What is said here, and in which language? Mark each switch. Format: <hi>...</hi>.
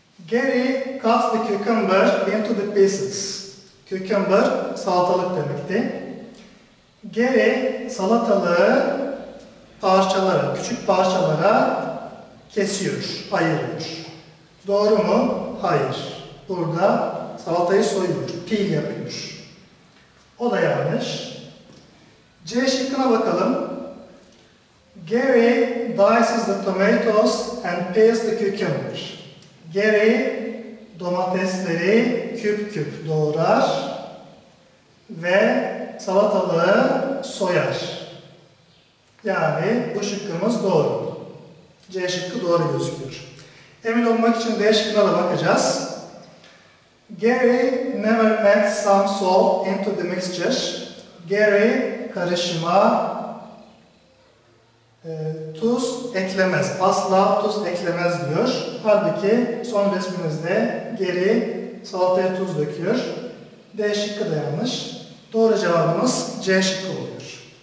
<en>Gary cuts the cucumber into the pieces.</en> <tr>Cucumber salatalık demekti. Gary salatalığı parçalara, küçük parçalara kesiyor, ayırıyor. Doğru mu? Hayır. Burada salatayı soyuyor, peel yapıyor. O da yanlış. C şıkkına bakalım.</tr> <en>Gary dices the tomatoes and peels the cucumber.</en> <tr>Gary domatesleri küp küp doğrar ve salatalığı soyar. Yani bu şıkkımız doğru. C şıkkı doğru gözüküyor. Emin olmak için D şıkkına bakacağız.</tr> <en>Gary never met some salt into the mixture.</en> <tr>Gary karışıma tuz eklemez. Asla tuz eklemez diyor. Halbuki son resmimizde Gary salataya tuz döküyor. D şıkkı da yanlış. Doğru cevabımız C şıkkı oluyor.</tr>